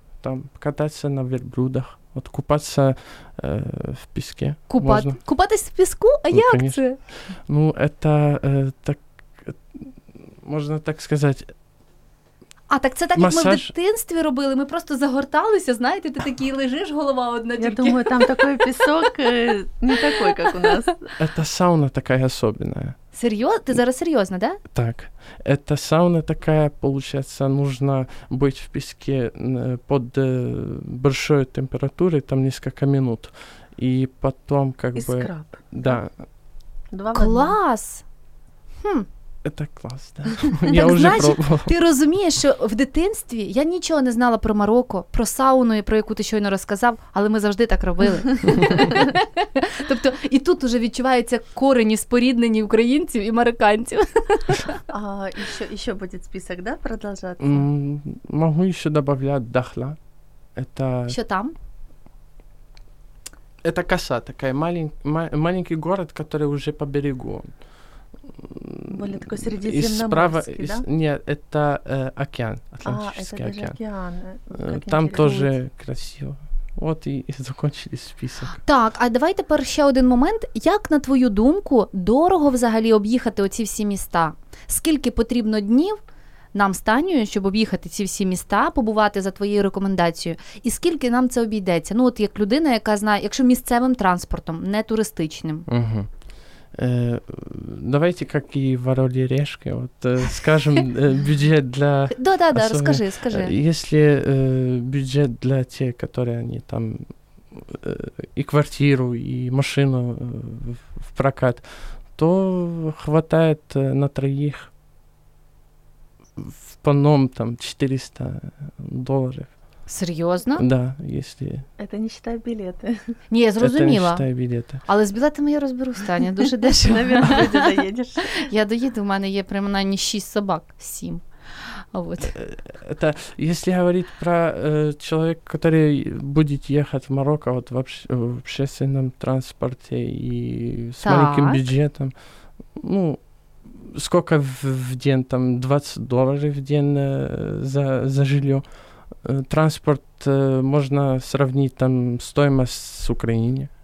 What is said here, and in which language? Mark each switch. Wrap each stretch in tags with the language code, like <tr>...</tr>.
<ru>Там кататься на верблюдах. Вот купаться в песке. Купаться в песку? А ну,</ru> <uk>як</uk> <ru>конечно</ru> <uk>це?</uk> <ru>Ну, это так, можно так сказать...</ru> <uk>А, так це так, як масаж. Ми в дитинстві робили, ми просто загорталися, знаєте, ти такий лежиш, голова одна тільки. Я думаю, там такий пісок не такий, як у нас. Це сауна така особлива. Серйозно? Ти зараз серйозно, да? Так. Це сауна така, виходить, потрібно бути в піску під великою температурою, там кілька хвилин. І потім, як би... І скраб. Да. Два клас! Це клас, да. Я так. Я вже пробував. Ти розумієш, що в дитинстві я нічого не знала про Марокко, про сауну, про яку ти щойно розказав, але ми завжди так робили. Тобто і тут уже відчуваються корені споріднені українців і марокканців. А ще буде список, да, продовжувати? Могу ще додати дахла. Що там? Це каса, такий маленький город, який вже по берегу.</uk> <ru>Более такой средиземноморский, справа, да? Нет, это океан, Атлантический океан.</ru> <uk>Океан.</uk> <ru>Там тоже красиво.</ru> <uk>От і закінчили список. Так, а давай тепер ще один момент. Як, на твою думку, дорого взагалі об'їхати оці всі міста? Скільки потрібно днів нам з Танею, щоб об'їхати ці всі міста, побувати за твоєю рекомендацією? І скільки нам це обійдеться? Ну от як людина, яка знає, якщо місцевим транспортом, не туристичним. Угу.</uk> <ru>Давайте, как и в Орле и Решке, вот, скажем, бюджет для... Да-да-да, расскажи, скажи. Если бюджет для тех, которые они там и квартиру, и машину в прокат, то хватает на троих в паном там $400.</ru> <uk>Серйозно?</uk> <ru>Так, да, если... Это не считай билеты.</ru> <uk>Ні, я зрозуміла.</uk> <ru>Это не считай билеты.</ru> <uk>Але з білетами я розберусь, Таня, дуже дешево. Навіть ти доїдеш. Я доїду, в мене є принаймні 6 собак, 7.</uk> <ru>Вот. Это, если говорить про человека, который будет ехать в Марокко вот, в общественном транспорте и с</ru> <uk>так.</uk> <ru>маленьким бюджетом, ну, сколько в день, там, $20 в день за жилье, транспорт можно сравнить там стоимость с Украиной.</ru>